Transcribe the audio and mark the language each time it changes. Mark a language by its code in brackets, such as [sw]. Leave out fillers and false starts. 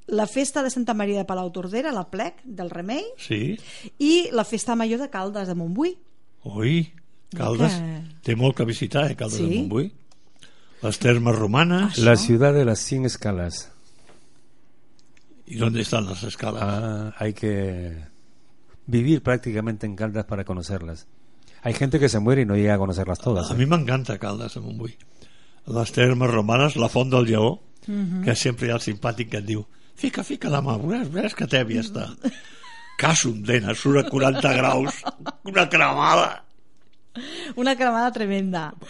[ca] La festa de Santa Maria de Palautordera, la plec del Remei, sí. I la festa major de Caldes de Montbui. Ui... Caldes, que... té molt que visitar, eh? Caldes, sí? De Montbui, les termes romanes, això? La ciutat de les 5 escales. I on estan les escales? [es] Hay que vivir prácticamente en Caldes para conocerlas. Hay gente que se muere y no llega a conocerlas todas. [ca] A mi m'encanta Caldes de Montbui, les termes romanes, la font del Lleó, que sempre hi ha el simpàtic que et diu fica la mà, veus que tèbia està. Casum dena, surt a 40 graus, una cremada. Una cremada tremenda.